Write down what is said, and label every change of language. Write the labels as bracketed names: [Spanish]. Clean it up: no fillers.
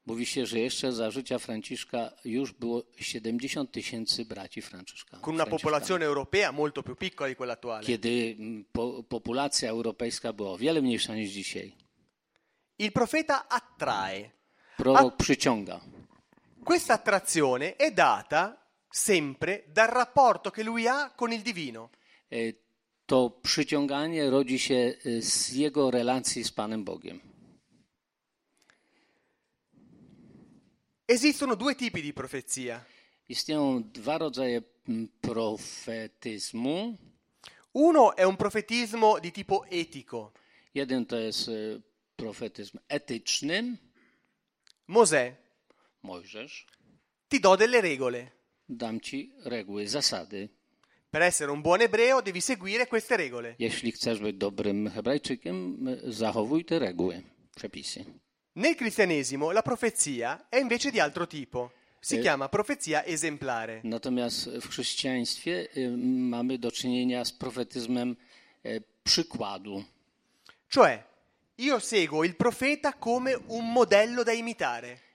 [Polish] Mówi się, że jeszcze za życia Franciszka już było 70 tysięcy braci Franciszka. [Italian] Con una popolazione europea molto più piccola di quella attuale. [Polish] Kiedy [Italian] popolazione [Polish] europejska była o wiele mniejsza niż dzisiaj. [Italian] Il profeta attrae. [Polish] Prorok przyciąga. [Italian] Questa attrazione è data sempre dal rapporto che lui ha con il divino. [Polish] To przyciąganie rodzi się z jego relacji z Panem Bogiem. [Italian] Esistono due tipi di profezia. [Polish] Istnieją dwa rodzaje profetyzmu. [Italian] Uno è un profetismo di tipo etico. [Polish] Jeden to jest profetyzm etyczny. [Italian] Mosè. [Polish] Mojżesz. [Italian] Ti do delle regole. [Polish] Dam ci reguły, zasady. [Italian] Per essere un buon ebreo devi seguire queste regole. [Polish] Jeśli chcesz być dobrym Hebrajczykiem, zachowuj te reguły, przepisy. [Italian] Nel cristianesimo la profezia è invece di altro tipo. Si chiama profezia esemplare. [Polish] Natomiast w chrześcijaństwie mamy do czynienia z profetyzmem przykładu. [Italian] Cioè, io seguo il profeta come un modello da imitare.